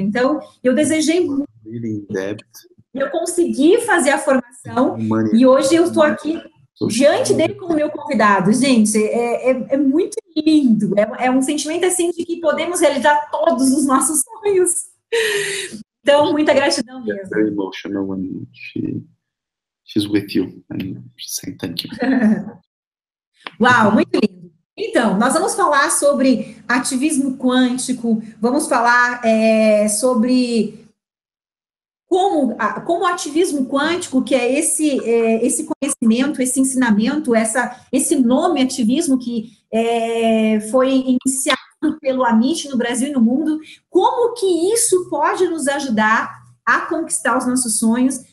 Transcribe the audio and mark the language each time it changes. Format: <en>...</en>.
<pt>Então, eu desejei muito. Eu consegui fazer a formação e hoje eu estou aqui diante dele como meu convidado. Gente, é muito lindo. É um sentimento assim de que podemos realizar todos os nossos sonhos. Então, muita gratidão mesmo.</pt> <en>Very emotional when she's with you and saying thank you.</en> <pt>Uau, muito lindo. Então, nós vamos falar sobre ativismo quântico, vamos falar sobre como o ativismo quântico, que é esse conhecimento, esse ensinamento, esse nome ativismo que foi iniciado pelo Amit no Brasil e no mundo, como que isso pode nos ajudar a conquistar os nossos sonhos?</pt>